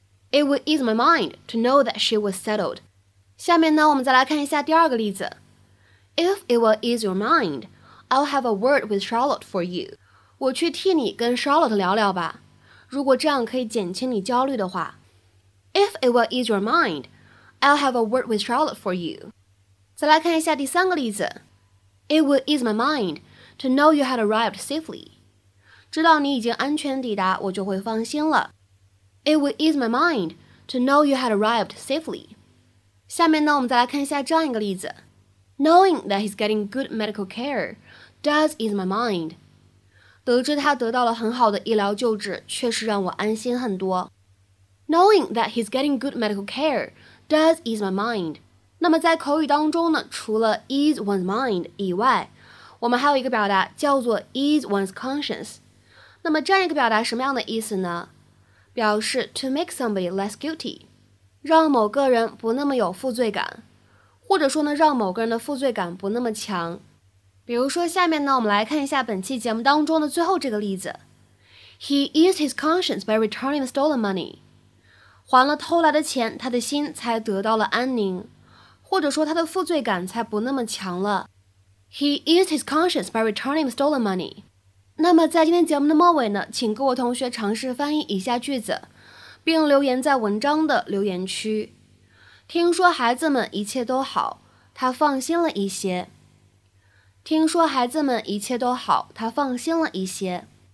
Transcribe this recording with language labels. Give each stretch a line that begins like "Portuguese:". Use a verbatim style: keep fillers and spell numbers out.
English: It would ease my mind to know that she was settled.
Chinese: 下面呢，我们再来看一下第二个例子。
English: If it will ease your mind, I'll have a word with Charlotte for you.
Chinese: 我去替你跟 Charlotte 聊聊吧，如果这样可以减轻你焦虑的话。
English: If it will ease your mind, I'll have a word with Charlotte for you.
Chinese: 再来看一下第三个例子。
English: It will ease my mind to know you had arrived safely.
Chinese: 知道你已经安全抵达，我就会放心了。
English: It would ease my mind to know you had arrived safely.
Chinese: 下面呢，我们再来看一下这样一个例子。
English: Knowing that he's getting good medical care does ease my mind.
Chinese: 得知他得到了很好的医疗救治，确实让我安心很多。
English: Knowing that he's getting good medical care does ease my mind.
Chinese: 那么在口语当中呢，除了 ease one's mind 以外，我们还有一个表达叫做 ease one's conscience. 那么这样一个表达什么样的意思呢？表示
English: to make somebody less guilty，
Chinese: 让某个人不那么有负罪感，或者说呢，让某个人的负罪感不那么强。比如说，下面呢，我们来看一下本期节目当中的最后这个例子。 He eased his conscience by returning the stolen money. 还了偷来的钱，他的心才得到了安宁，或者说他的负罪感才不那么强了。 He eased his conscience by returning the stolen money. 那么在今天节目的末尾呢，请各位同学尝试翻译以下句子，并留言在文章的留言区。听说孩子们一切都好，他放心了一些。听说孩子们一切都好，他放心了一些。